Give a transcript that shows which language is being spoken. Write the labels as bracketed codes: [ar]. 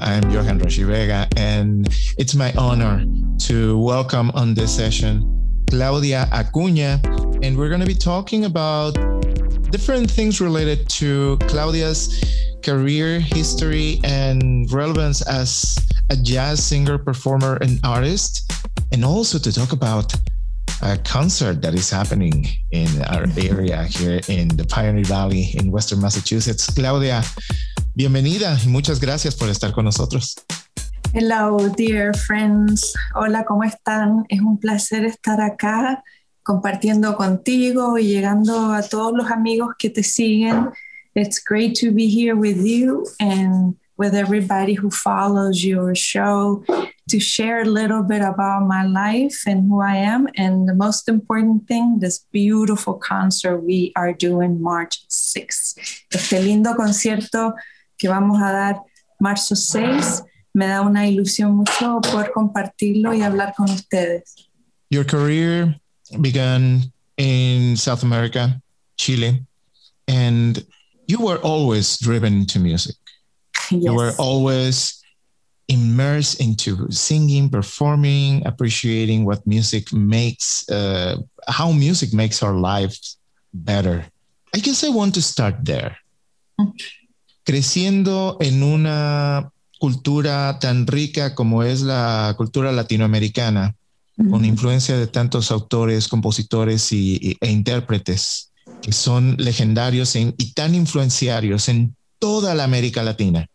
[en] I'm Johan Roshi Vega, and it's my honor to welcome on this session Claudia Acuña, and we're going to be talking about different things related to Claudia's career history and relevance as a jazz singer, performer, and artist, and also to talk about a concert that is happening in our area here in the Pioneer Valley in Western Massachusetts. [es] Claudia, bienvenida y muchas gracias por estar con nosotros. [en] Hello, dear friends. [es] Hola, ¿cómo están? Es un placer estar acá compartiendo contigo y llegando a todos los amigos que te siguen. [en] It's great to be here with you and with everybody who follows your show to share a little bit about my life and who I am. And the most important thing, this beautiful concert we are doing March 6th. [es] Este lindo concierto que vamos a dar marzo 6th. Me da una ilusión mucho poder compartirlo y hablar con ustedes. [en] Your career began in South America, Chile, and you were always driven to music. Yes. You were always immersed into singing, performing, appreciating what music makes, how music makes our lives better. I guess I want to start there. [es] Creciendo en una cultura tan rica como es la cultura latinoamericana, con influencia de tantos autores, compositores e intérpretes que son legendarios y tan influenciarios en toda la América Latina.